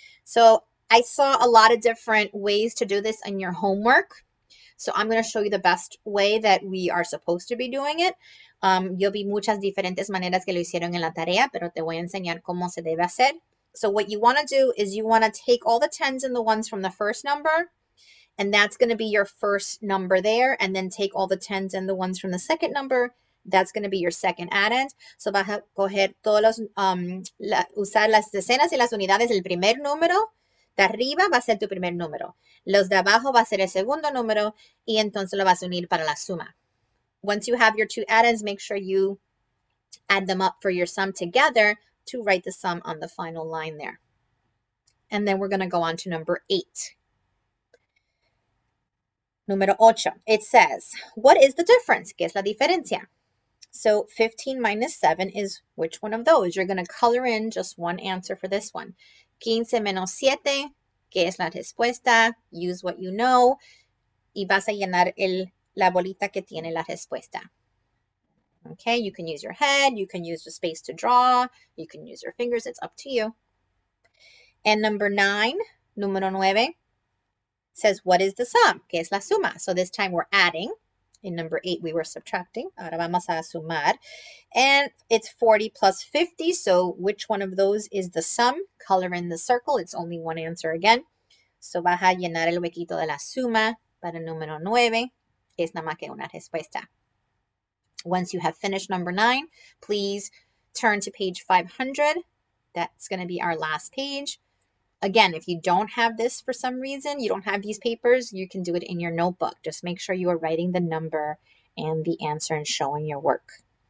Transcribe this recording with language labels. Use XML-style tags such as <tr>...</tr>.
<en>So I saw a lot of different ways to do this in your homework. So I'm going to show you the best way that we are supposed to be doing it.</en> <es>Yo vi muchas diferentes maneras que lo hicieron en la tarea, pero te voy a enseñar cómo se debe hacer.</es> <en>So what you want to do is you want to take all the tens and the ones from the first number, and that's going to be your first number there, and then take all the tens and the ones from the second number. That's going to be your second addend.</en> <es>So vas a coger todos los, usar las decenas y las unidades del primer número. De arriba va a ser tu primer número. Los de abajo va a ser el segundo número y entonces lo vas a unir para la suma.</es> <en>Once you have your two addends, make sure you add them up for your sum together to write the sum on the final line there. And then we're going to go on to number 8. Número ocho. It says, what is the difference? ¿Qué es la diferencia? So 15 minus 7 is which one of those? You're going to color in just one answer for this one.</en> <es>15 menos 7, ¿qué es la respuesta? Use what you know. Y vas a llenar la bolita que tiene la respuesta.</es> <en>Okay, you can use your head. You can use the space to draw. You can use your fingers. It's up to you. And number 9, número 9, says, what is the sum? ¿Qué es la suma? So this time we're adding. In number 8, we were subtracting. Ahora vamos a sumar. And it's 40 plus 50. So which one of those is the sum? Color in the circle. It's only one answer again.</en> <es>So vas a llenar el huequito de la suma para número 9. Es nada más que una respuesta.</es> <en>Once you have finished number 9, please turn to page 500. That's going to be our last page. Again, if you don't have this for some reason, you don't have these papers, you can do it in your notebook. Just make sure you are writing the number and the answer and showing your work.</en>